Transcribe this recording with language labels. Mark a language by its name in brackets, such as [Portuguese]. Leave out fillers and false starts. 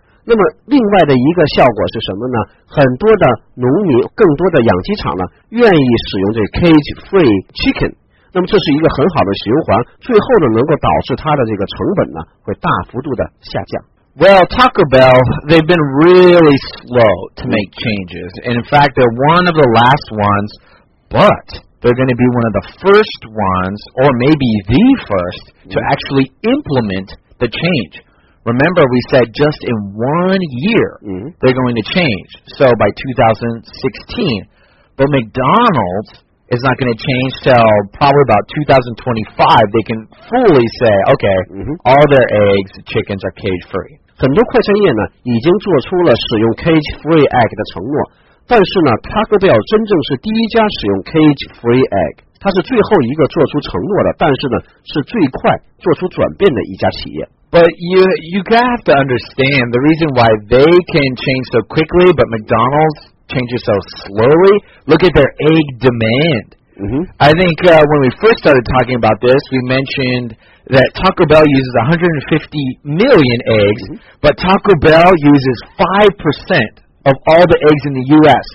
[Chinese] 那么另外的一个效果是什么呢？很多的农民，更多的养鸡场呢，愿意使用这 cage free chicken。那么这是一个很好的循环，最后呢，能够导致它的这个成本呢，会大幅度的下降。 [English] Well, Taco Bell, they've been really slow to make changes. In fact, they're one of the last ones, but they're going to be one of the first ones, or maybe the first, to actually implement the change. Remember, we said just in 1 year, they're going to change. So by 2016. But McDonald's is not going to change till probably about 2025. They can fully say, okay, all their eggs, chickens are cage-free. [Chinese] 很多快餐业呢已经做出了使用 cage-free egg 的承诺。但是呢 Taco Bell 真正是第一家使用 cage-free egg。它是最后一个做出承诺的但是呢是最快做出转变的一家企业。 [English] But you have to understand the reason why they can change so quickly, but McDonald's changes so slowly. Look at their egg demand. I think when we first started talking about this, we mentioned that Taco Bell uses 150 million eggs, but Taco Bell uses 5% of all the eggs in the U.S.